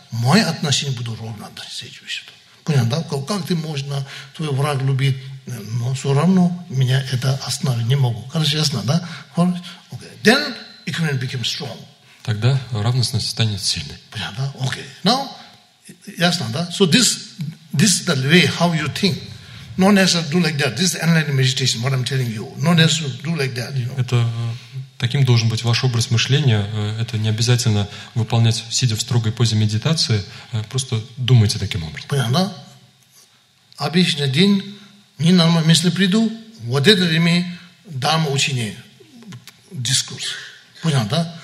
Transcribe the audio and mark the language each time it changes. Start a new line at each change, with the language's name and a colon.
Russian: Мои отношения будут ровно отношение все чувства. Понятно, да? Как ты можешь твой враг любить? Но все равно меня это остановить не могу. Короче, ясно, да?
English: Okay. Then ignorance became strong.
Russian: Тогда равностность станет сильной. Понятно, да?
English: Okay. Now,
Russian: ясно, да?
English: So this is the way how you think. No necessary to do like that. This is enlightened meditation, what I'm telling you. No necessary to do like that, you know.
Russian: Это таким должен быть ваш образ мышления. Это не обязательно выполнять, сидя в строгой позе медитации. Просто думайте таким образом. Понятно, да? Обычный день... Не нормально, если приду, вот это время дам учение, дискурс. Понял, да?